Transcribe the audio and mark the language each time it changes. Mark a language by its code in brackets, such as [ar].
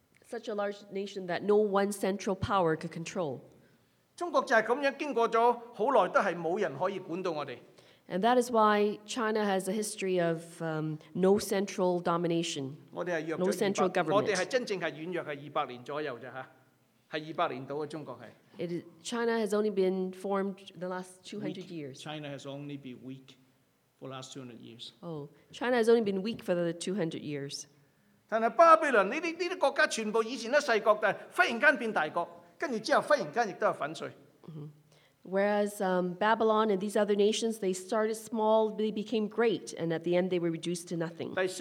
[en] Such a large nation that no one central power could control. [zh] 中国就是这样经过了很久都是没有人可以管到我们。 And [en] that is why China has a history of no central domination, no central government. [zh] 我们是真正是软弱的200年左右，是200年左右的中国是。 [en] China has only been formed the last 200 years. China has only been weak for the last 200 years. Oh, China has only been weak for the 200 years. [zh] 但是巴比伦这些国家全部以前都是小国，但忽然间变大国。 [en] Whereas Babylon and these other nations, they started small, they became great, and at the end they were reduced to nothing.